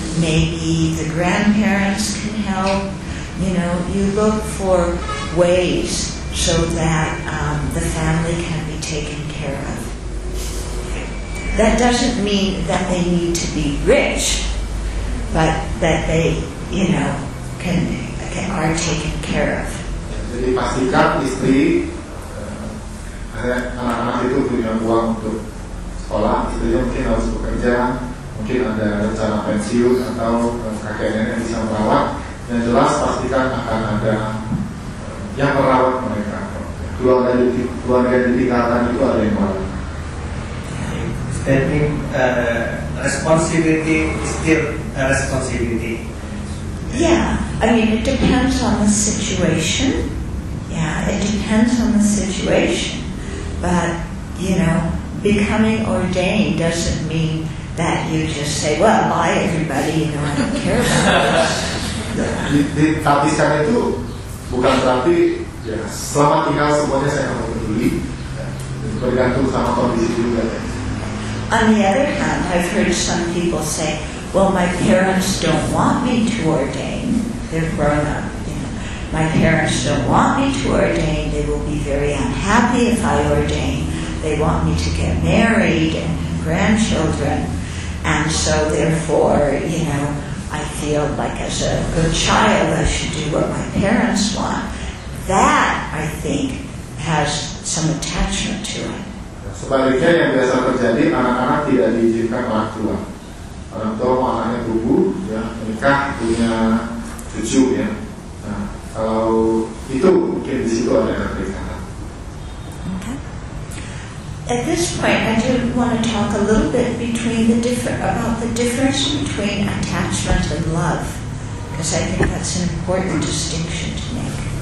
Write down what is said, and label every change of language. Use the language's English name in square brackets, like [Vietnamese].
[English] Maybe the grandparents can help. You know, you look for ways so that the family can be taken care of. That doesn't mean that they need to be rich, but that they, you know, can are taken care of. [Indonesian] Jadi pastikan istri anak-anak itu punya uang untuk sekolah, istrinya mungkin harus bekerja, mungkin ada rencana pensiun atau kakek nenek bisa merawat. Yang jelas pastikan akan ada yang merawat mereka. Keluarga ditinggalkan itu ada yang mana? [English] That means responsibility is still a responsibility. Yeah, I mean it depends on the situation. Yeah, it depends on the situation. But you know, becoming ordained doesn't mean that you just say, well, bye everybody, you know, I don't care about this. [Indonesian] Yeah, tapi kan itu bukan berarti. Ya, selamat tinggal semuanya saya akan peduli. Bergantung sama kondisi juga. [English] On the other hand, I've heard some people say, well, my parents don't want me to ordain. They're grown up. You know. My parents don't want me to ordain. They will be very unhappy if I ordain. They want me to get married and have grandchildren. And so therefore, you know, I feel like as a good child, I should do what my parents want. That I think has some attachment to it. [Indonesian] Sebaliknya yang biasa terjadi, anak-anak tidak diizinkan orang tua. Orang tua mau anaknya bubu, ya, menikah, punya cucu, ya. Nah, kalau itu mungkin di situ ada perbedaan. [English] Okay. At this point, I do want to talk a little bit about the difference between attachment and love, because I think that's an important distinction to make.